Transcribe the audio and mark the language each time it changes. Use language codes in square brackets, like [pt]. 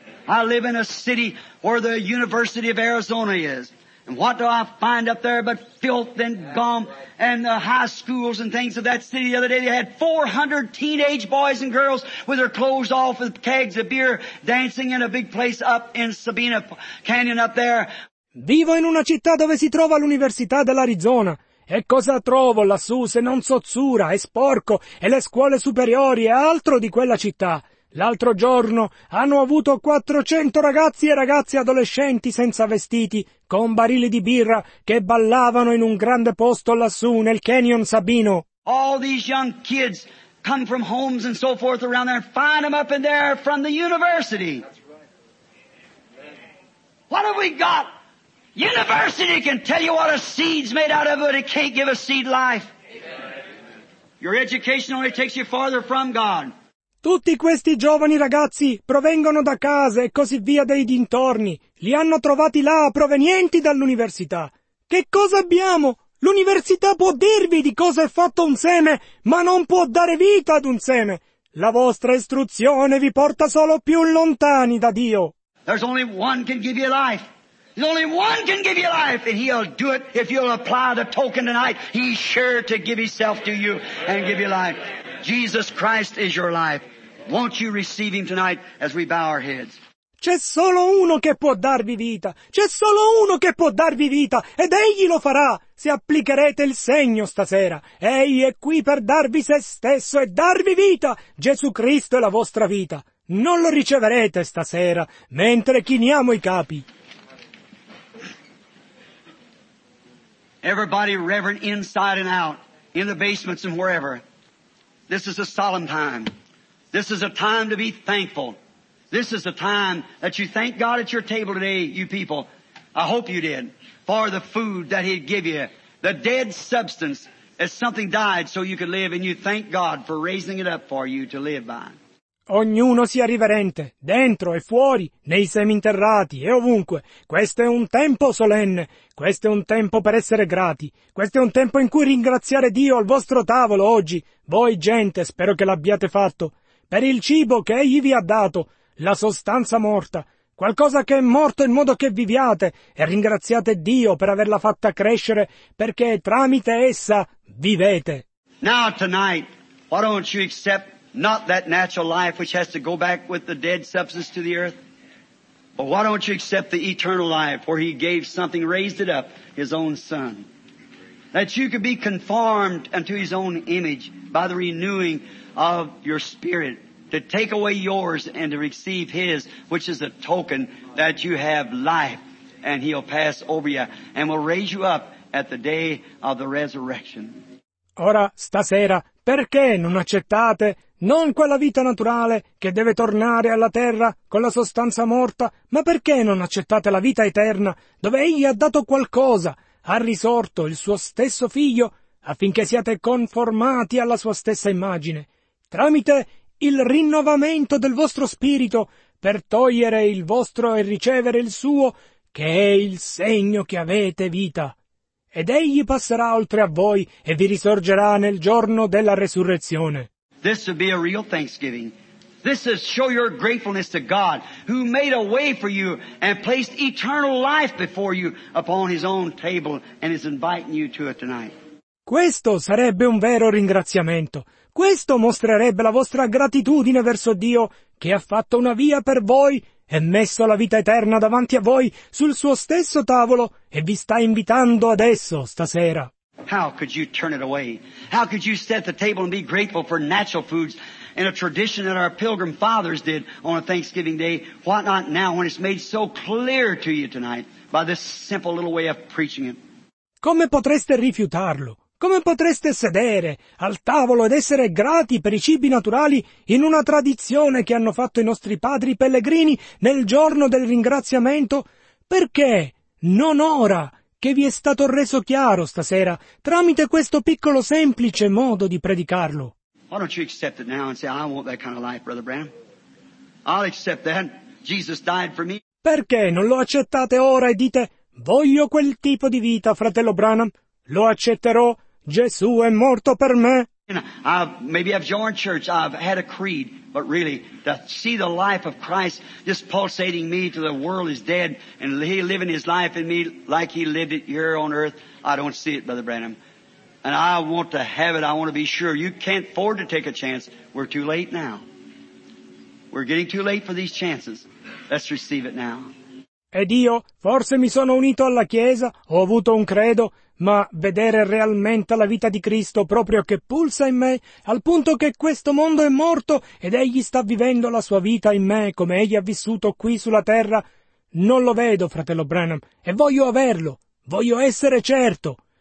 [en] I live in a city where the University of Arizona is. And what do I find up there but filth and gum and the high schools and things of that city. The other day they had 400 teenage boys and girls with their clothes off with kegs of beer dancing in a big place up in Sabina Canyon up there. [it] Vivo in una città dove si trova l'Università dell'Arizona. E cosa trovo lassù se non sozzura, è sporco, e le scuole superiori è altro di quella città. L'altro giorno hanno avuto 400 ragazzi e ragazze adolescenti senza vestiti, con barili di birra, che ballavano in un grande posto lassù nel Canyon Sabino. [en] All these young kids come from homes and so forth around there and find them up in there from the university. What have we got? University can tell you what a seed's made out of, but it can't give a seed life. Amen. Your education only takes you farther from God. [it] Tutti questi giovani ragazzi provengono da case e così via dei dintorni. Li hanno trovati là, provenienti dall'università. Che cosa abbiamo? L'università può dirvi di cosa è fatto un seme, ma non può dare vita ad un seme. La vostra istruzione vi porta solo più lontani da Dio. [en] There's only one can give you life. There's only one can give you life, and he'll do it if you'll apply the token tonight. He's sure to give himself to you and give you life. Jesus Christ is your life. Won't you receive him tonight as we bow our heads? [it] C'è solo uno che può darvi vita. C'è solo uno che può darvi vita, ed egli lo farà se applicherete il segno stasera. Egli è qui per darvi se stesso e darvi vita. Gesù Cristo è la vostra vita. Non lo riceverete stasera mentre chiniamo i capi. [en] Everybody reverent inside and out, in the basements and wherever. This is a solemn time. This is a time to be thankful. This is a time that you thank God at your table today, you people. I hope you did. For the food that He'd give you. The dead substance as something died so you could live, and you thank God for raising it up for you to live by. [it] Ognuno sia riverente, dentro e fuori, nei seminterrati e ovunque. Questo è un tempo solenne, questo è un tempo per essere grati, questo è un tempo in cui ringraziare Dio al vostro tavolo oggi, voi gente, spero che l'abbiate fatto, per il cibo che Egli vi ha dato, la sostanza morta, qualcosa che è morto in modo che viviate, e ringraziate Dio per averla fatta crescere, perché tramite essa vivete. [en] Now tonight, why don't you accept not that natural life which has to go back with the dead substance to the earth, but why don't you accept the eternal life where He gave something, raised it up, His own Son, that you could be conformed unto His own image by the renewing of your spirit, to take away yours and to receive His, which is a token that you have life, and He'll pass over you and will raise you up at the day of the resurrection. [it] Ora, stasera, perché non accettate non quella vita naturale che deve tornare alla terra con la sostanza morta, ma perché non accettate la vita eterna dove Egli ha dato qualcosa, ha risorto il suo stesso Figlio affinché siate conformati alla sua stessa immagine, tramite il rinnovamento del vostro spirito per togliere il vostro e ricevere il suo, che è il segno che avete vita. Ed Egli passerà oltre a voi e vi risorgerà nel giorno della resurrezione. [en] This would be a real thanksgiving. This is show your gratefulness to God who made a way for you and placed eternal life before you upon His own table and is inviting you to it tonight. [it] Questo sarebbe un vero ringraziamento. Questo mostrerebbe la vostra gratitudine verso Dio che ha fatto una via per voi e messo la vita eterna davanti a voi sul suo stesso tavolo e vi sta invitando adesso, stasera. [en] How could you turn it away? How could you set the table and be grateful for natural foods in a tradition that our pilgrim fathers did on a Thanksgiving day? Why not now when it's made so clear to you tonight by this simple little way of preaching it? [it] Come potreste rifiutarlo? Come potreste sedere al tavolo ed essere grati per i cibi naturali in una tradizione che hanno fatto i nostri padri pellegrini nel giorno del ringraziamento? Perché non ora che vi è stato reso chiaro stasera tramite questo piccolo semplice modo di predicarlo? [en] Why don't you accept it now and say, I want that kind of life, Brother Branham. I'll accept that. Jesus died for me. [it] Perché non lo accettate ora e dite, voglio quel tipo di vita, fratello Branham. Lo accetterò. Gesù è morto per me. [en] Maybe I've joined church, I've had a creed, but really, to see the life of Christ just pulsating me to the world is dead, and He living His life in me like He lived it here on earth, I don't see it, Brother Branham. And I want to have it, I want to be sure. You can't afford to take a chance. We're too late now. We're getting too late for these chances. Let's receive it now. [it] Ed io, forse mi sono unito alla Chiesa, ho avuto un credo, ma vedere realmente la vita di Cristo proprio che pulsa in me, al punto che questo mondo è morto ed Egli sta vivendo la sua vita in me come Egli ha vissuto qui sulla terra, non lo vedo, fratello Branham, e voglio averlo, voglio essere certo.